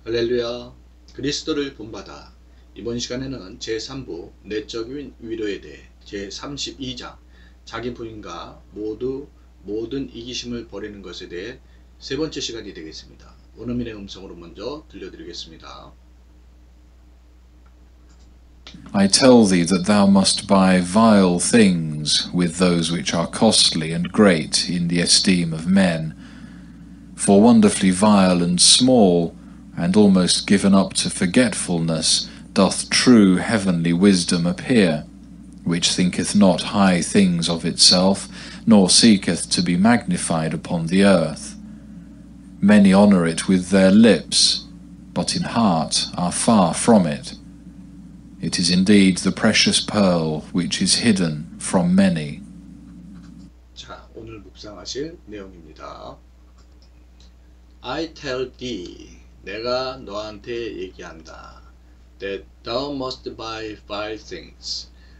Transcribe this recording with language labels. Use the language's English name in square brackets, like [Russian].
[Korean] 할렐루야, 그리스도를 본받아. 이번 시간에는 제3부 내적인 위로에 대해 제32장 자기 부인과 모든 이기심을 버리는 것에 대해 세 번째 시간이 되겠습니다. 원어민의 음성으로 먼저 들려드리겠습니다. [English] I tell thee that thou must buy vile things with those which are costly and great in the esteem of men, for wonderfully vile and small, and almost given up to forgetfulness, doth true heavenly wisdom appear, which thinketh not high things of itself, nor seeketh to be magnified upon the earth. Many honour it with their lips, but in heart are far from it. It is indeed the precious pearl which is hidden from many. [Korean] 오늘 묵상하실 내용입니다. [English] I tell thee, [Korean] 내가 너한테 얘기한다. [English] That thou must buy vile things.